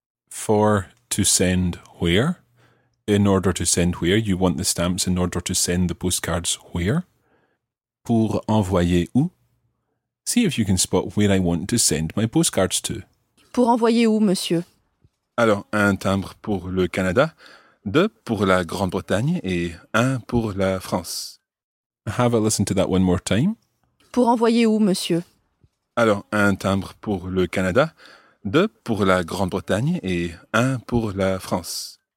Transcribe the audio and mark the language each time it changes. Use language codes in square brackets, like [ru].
[en] For to send where? In order to send where? You want the stamps in order to send the postcards where? [fr] Pour envoyer où? [en] See if you can spot where I want to send my postcards to. [fr] Pour envoyer où, monsieur? Alors, un timbre pour le Canada, deux pour la Grande-Bretagne et un pour la France. [en] Have a listen to that one more time. [fr] Pour envoyer où, monsieur? Alors, un timbre pour le Canada, deux pour la Grande-Bretagne et un pour la France.